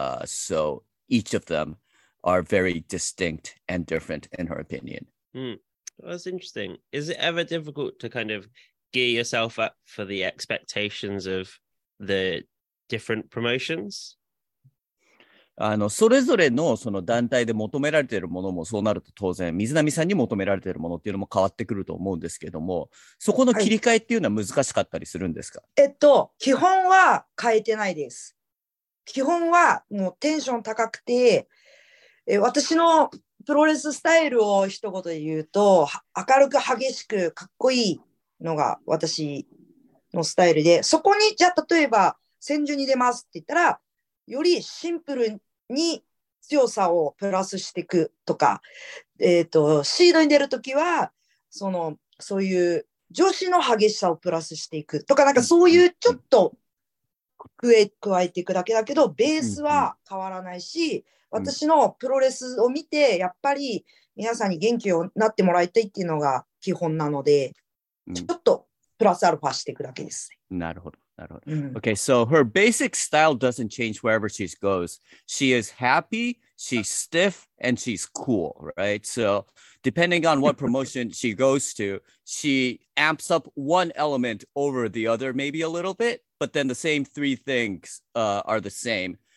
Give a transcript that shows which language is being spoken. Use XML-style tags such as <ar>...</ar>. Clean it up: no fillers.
<en>So each of them are very distinct and different in her opinion. Mm. That's interesting. Is it ever difficult to kind of gear yourself up for the expectations of the different promotions?</en> <ja>それぞれのその団体で求められているものもそうなると当然水波さんに求められているものっていうのも変わってくると思うんですけどもそこの切り替えっていうのは難しかったりするんですか、はい、基本は変えてないです。基本はもうテンション高くて私のプロレススタイルを一言で言うと明るく激しくかっこいいのが私のスタイルで、そこにじゃあ例えば戦術に出ますって言ったらよりシンプルに強さをプラスしていくとか、シードに出るときはそのそういう女子の激しさをプラスしていくとか、なんかそういうちょっと加えていくだけだけどベースは変わらないし、私のプロレスを見てやっぱり皆さんに元気になってもらいたいっていうのが基本なのでちょっとプラスアルファしていくだけです。なるほど、なるほど。</ja> <en>Okay, so her basic style doesn't change wherever she goes. She is happy, she's stiff, and she's cool, right? So depending on what promotion she goes to, she amps up one element over the other maybe a little bit, but then the same three things are the same.</en>